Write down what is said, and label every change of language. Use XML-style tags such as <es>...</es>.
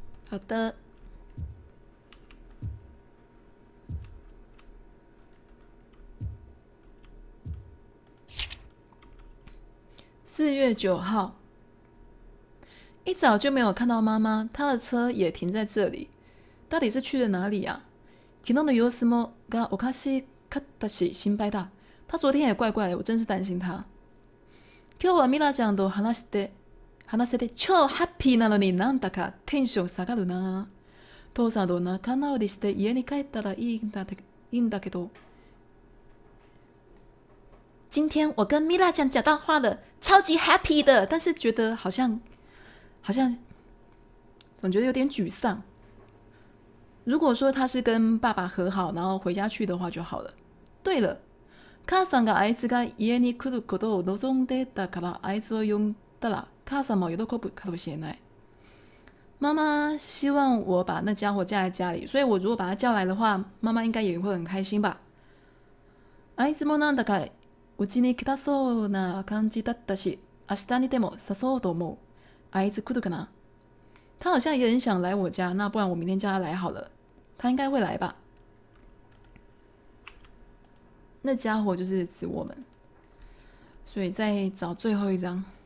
<zh>好的，4月9号。一早就没有看到妈妈，她的车也停在这里，到底是去了哪里啊？</zh> <ja>昨日の様子もがおかしかったし心配だ。</ja> <zh>她昨天也怪怪的，我真是担心她。</zh> <ja>今日はミラちゃんと話せて超ハッピーなのになんだかテンション下がるな。父さんと仲直りして家に帰ったらいいんだけど。</ja> <zh>今天我跟ミラちゃん讲到话了，超级 happy 的，但是觉得好像总觉得有点沮丧。如果说他是跟爸爸和好然后回家去的话就好了。</zh> <ja>对了，母さんがあいつが家に来ることを望んでたから、あいつを呼んだら母さんも喜ぶかもしれない。</ja> <zh>妈妈希望我把那家伙叫在家里，所以我如果把他叫来的话，妈妈应该也会很开心吧。</zh> <ja>あいつもなんだかうちに来たそうな感じだったし、明日にでも誘うと思う。あいつ来るかな？</ja> <zh>他好像也很想来我家，那不然我明天叫他来好了，他应该会来吧。那家伙就是指我们，所以再找最后一张。</zh>